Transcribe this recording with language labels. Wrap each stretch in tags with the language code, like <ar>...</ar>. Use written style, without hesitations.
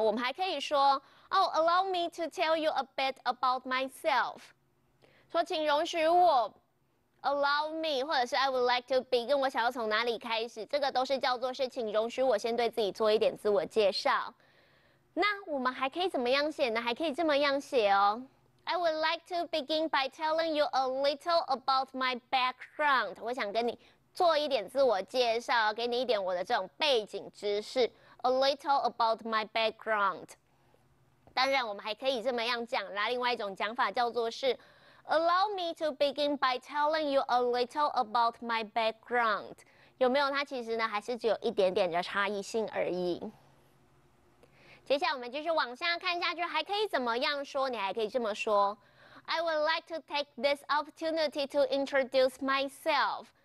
<zh>我们还可以说</zh> <en>，Oh， allow me to tell you a bit about myself。</en> <zh>说，请容许我 ，</zh> <en>allow me，</en> <zh>或者是</zh> <en>I would like to begin，</en> <zh>我想要从哪里开始？这个都是叫做是，请容许我先对自己做一点自我介绍。那我们还可以怎么样写呢？还可以这么样写哦</zh> <en>，I would like to begin by telling you a little about my background。</en> <zh>我想跟你做一点自我介绍，给你一点我的这种背景知识 ，</zh> <en>a little about my background。</en> <zh>当然，我们还可以这么样讲，那另外一种讲法叫做是</zh> <en>，allow me to begin by telling you a little about my background。</en> <zh>有没有？它其实呢，还是只有一点点的差异性而已。接下来我们继续往下看下去，还可以怎么样说？你还可以这么说</zh> <en>，I would like to take this opportunity to introduce myself。</en>